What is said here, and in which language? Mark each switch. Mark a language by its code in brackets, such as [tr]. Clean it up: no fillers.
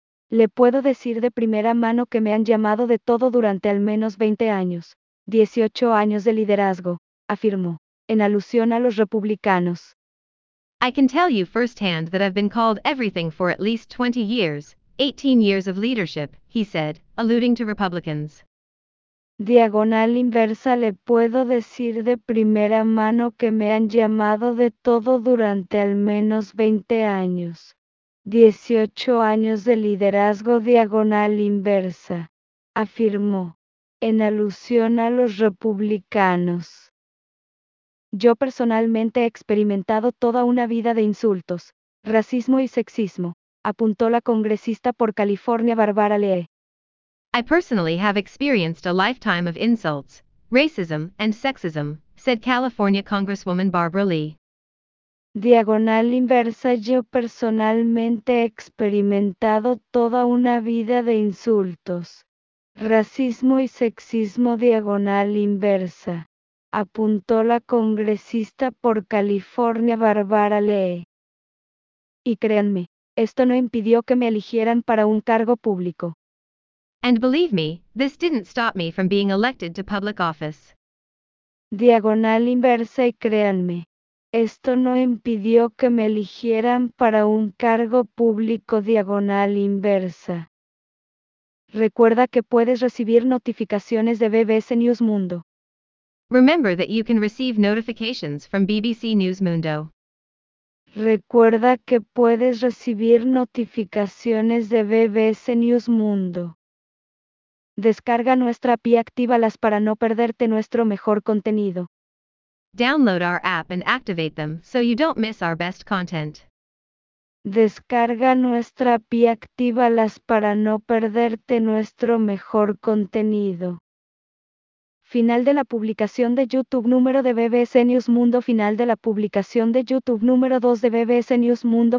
[es] Le puedo decir de primera mano que me han llamado de todo durante al menos 20 años, 18 años de liderazgo, afirmó, en alusión a los republicanos. [en] I can tell you firsthand that I've been called everything for at least 20 years, 18 years of leadership, he said, alluding to Republicans. [es] Diagonal inversa, le puedo decir de primera mano que me han llamado de todo durante al menos 20 años. 18 años de liderazgo, diagonal inversa, afirmó, en alusión a los republicanos. Yo personalmente he experimentado toda una vida de insultos, racismo y sexismo, apuntó la congresista por California Barbara Lee. [en] I personally have experienced a lifetime of insults, racism and sexism, said California Congresswoman Barbara Lee. [es] Diagonal inversa, yo personalmente he experimentado toda una vida de insultos. Racismo y sexismo diagonal inversa, apuntó la congresista por California Barbara Lee. Y créanme, esto no impidió que me eligieran para un cargo público. [en] And believe me, this didn't stop me from being elected to public office. [es] Diagonal inversa, y créanme, esto no impidió que me eligieran para un cargo público diagonal inversa. Recuerda que puedes recibir notificaciones de BBC News Mundo. [en] Remember that you can receive notifications from BBC News Mundo. [es] Recuerda que puedes recibir notificaciones de BBC News Mundo. Descarga nuestra app y actívalas para no perderte nuestro mejor contenido. [en] Download our app and activate them so you don't miss our best content. [es] Descarga nuestra app y actívalas para no perderte nuestro mejor contenido. Final de la publicación de YouTube número de BBC News Mundo. Final de la publicación de YouTube número 2 de BBC News Mundo.